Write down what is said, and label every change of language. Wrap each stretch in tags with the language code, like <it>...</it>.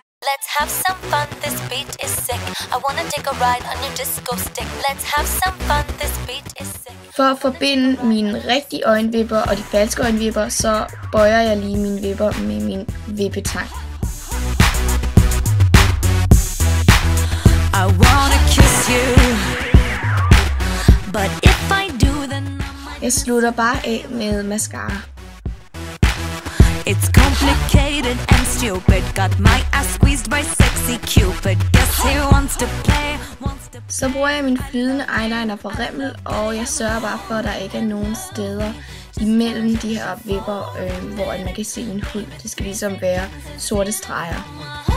<en>Let's have some fun, this beat is sick. I wanna take a ride on your disco stick. Let's have some fun, this beat is sick.</en> <da>For at forbinde mine rigtige øjenvipper og de falske øjenvipper, så bøjer jeg lige mine vipper med min vippetang.</da> <en>I wanna kiss you, but if I do, then</en> <da>jeg slutter bare af med mascara.</da> <en>It's complicated and stupid. Got my ass squeezed by sexy Cupid. Guess who wants to play?</en> <da>Så bruger jeg min flydende eyeliner på Rimmel, og jeg sørger bare for, at der ikke er nogen steder imellem de her vipper, hvor man kan se min hud. Det skal ligesom være sorte streger.</da>